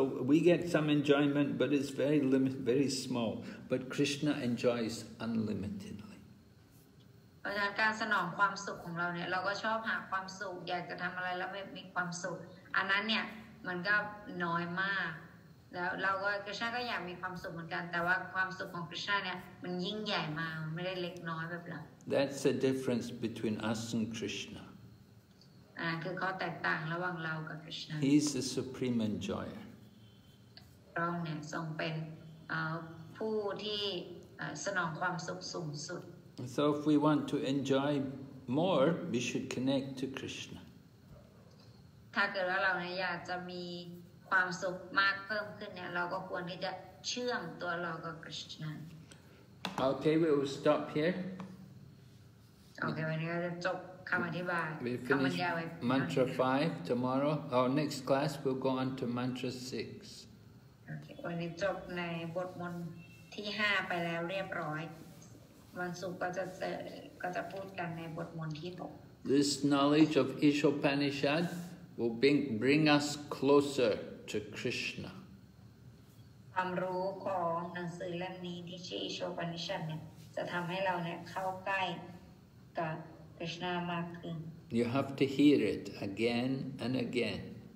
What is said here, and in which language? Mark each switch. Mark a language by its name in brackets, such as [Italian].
[English] We get some enjoyment, but it's very limited, very small. But Krishna enjoys unlimitedly. [Thai] เพราะฉะนั้นการสนองความสุขของเราเนี่ยเราก็ชอบหาความสุขอยากจะทำอะไรแล้วไม่มีความสุขอันนั้นเนี่ยมันก็น้อยมากแล้วเราก็คริสต์ก็อยากมีความสุขเหมือนกันแต่ว่าความสุขของคริสต์เนี่ยมันยิ่งใหญ่มากไม่ได้เล็กน้อยแบบเรา [English] That's the difference between us and Krishna [Thai] คือข้อแตกต่างระหว่างเรากับคริสต์ [English] He's the supreme enjoyer [Thai] พระองค์เนี่ยทรงเป็นผู้ที่สนองความสุขสูงสุด [English] So if we want to enjoy more we should connect to Krishna [Thai] ถ้าเกิดว่าเราเนี่ยอยากจะมีความสุขมากเพิ่มขึ้นเนี่ยเราก็ควรที่จะเชื่อมตัวเรากับคริสต์ [English] Okay we will stop here [Thai] Okay วันนี้เราจะจบคำอธิบายคำบรรย [English] ายไว้ Mantra 5 tomorrow our next class we'll go on to Mantra 6 [Thai] Okay วันนี้จบในบทมนต์ที่5ไปแล้วเรียบร้อยวันศุกร์ก็จะพูดกันในบทมนต์ที่6 [English] This knowledge of Isopanisad will bring us closer to Krishna. [Thai] ความรู้ของหนังสือเล่มนี้ที่ชื่อ Isopanisad เนี่ยจะทำให้เราเนี่ยเข้าใกล้กับ Krishna mag khun. [English] You have to hear it again and again.